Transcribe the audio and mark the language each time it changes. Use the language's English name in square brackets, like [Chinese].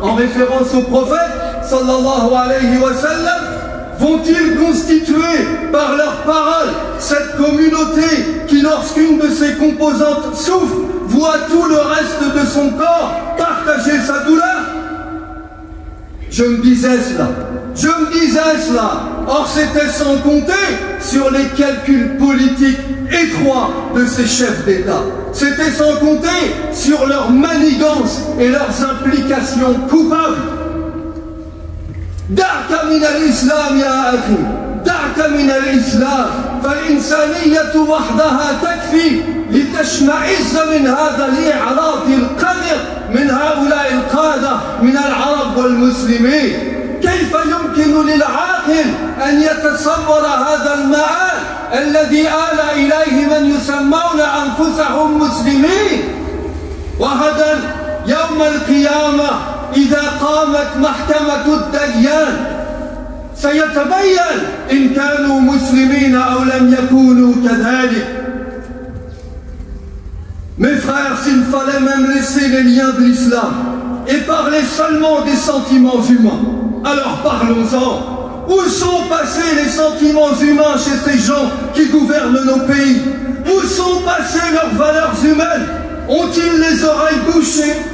[French] En référence au prophète, sallallahu alayhi wa sallam, vont-ils constituer par leurs paroles cette communauté qui, lorsqu'une de ses composantes souffre, voit tout le reste de son corps partager sa douleur? Je me disais cela. Je me disais cela. Or, c'était sans compter sur les calculs politiques étroits de ces chefs d'État. C'était sans compter sur leurs manigances et leurs implications coupables. [Arabic] دعك من الإسلام يا أخي، دعك من الإسلام، فالإنسانية وحدها تكفي لتشمئز من هذا الإعراض القذر من هؤلاء القادة من العرب والمسلمين. كيف يمكن للعاقل أن يتصور هذا المآل الذي آل إليه من يسمون أنفسهم مسلمين؟ وغدا يوم القيامة إذا قامت محكمة الديان سيتبين إن كانوا مسلمين أو لم يكونوا كذلك. [French] Mes frères, s'il fallait même laisser les liens de l'islam et parler seulement des sentiments humains, Alors parlons-en. Où sont passés les sentiments humains chez ces gens qui gouvernent nos pays? Où sont passées leurs valeurs humaines? Ont-ils les oreilles bouchées?